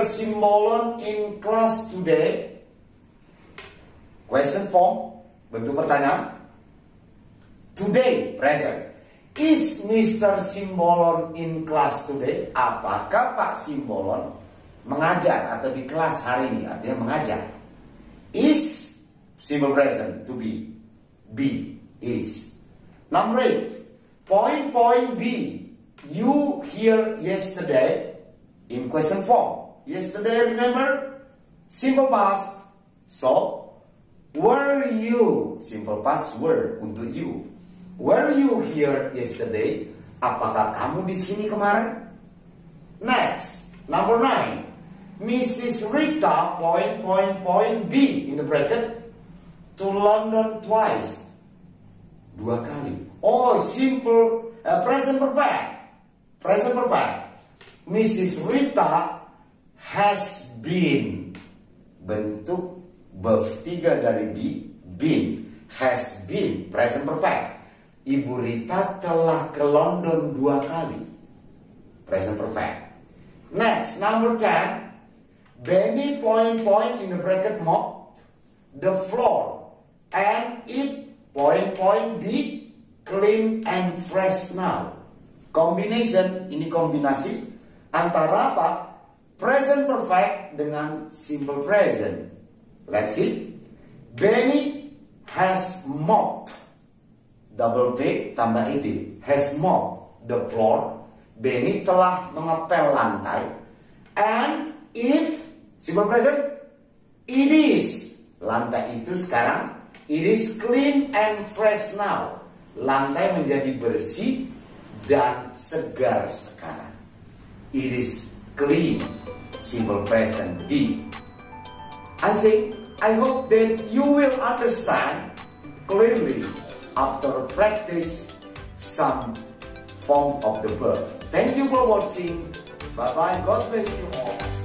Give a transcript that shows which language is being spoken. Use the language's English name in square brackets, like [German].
[English] Simbolon in class today. Question form. [Indonesian] Bentuk pertanyaan. [English] Today, present. Is Mr. Simbolon in class today? [Indonesian] Apakah Pak Simbolon mengajar atau di kelas hari ini? Artinya mengajar. [English] Is simple present to be. B is. Number 8. Point B. You here yesterday in question form. Yesterday, remember? Simple past. So, were you? Simple past were untuk you. Were you here yesterday? [Indonesian] Apakah kamu di sini kemarin? [English] Next, number 9. Mrs. Rita ... B in the bracket to London twice. Dua kali. Oh, simple present perfect. Present perfect. Mrs. Rita has been. [Indonesian] Bentuk verb 3 dari be, been. [English] Has been present perfect. [Indonesian] Ibu Rita telah ke London 2 kali. Present perfect. [English] Next, number 10. Benny ... in the bracket mop the floor and it ... B clean and fresh now. [Indonesian] Combination, ini kombinasi antara apa? [English] Present perfect dengan simple present. Let's see. Benny has mopped. Double P tambah ED. Has mopped the floor. Benny [Indonesian] telah mengepel lantai. [English] And it, simple present, it is. [Indonesian] Lantai itu sekarang, [English] it is clean and fresh now. [Indonesian] Lantai menjadi bersih dan segar sekarang. [English] It is clean, simple present, D. I hope that you will understand clearly after practice some form of the verb. Thank you for watching. Bye-bye. God bless you all.